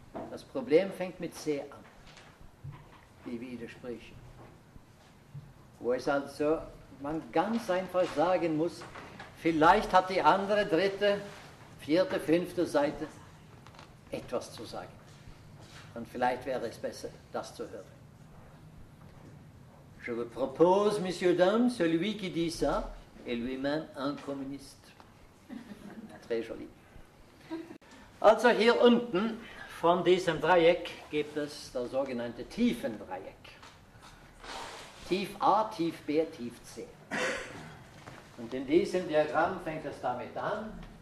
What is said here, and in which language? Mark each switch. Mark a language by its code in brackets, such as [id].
[de] Das Problem fängt mit C an, die Widersprüche. Wo es also, man ganz einfach sagen muss, vielleicht hat die andere, dritte, vierte, fünfte Seite etwas zu sagen. Und vielleicht wäre es besser, das zu hören. [fr] Je vous propose, messieurs, dames, celui qui dit ça est lui-même un communiste. Très joli. [de] Also hier unten von diesem Dreieck gibt es das sogenannte Tiefendreieck. Tief A, Tief B, Tief C. Und in diesem Diagramm fängt es damit an.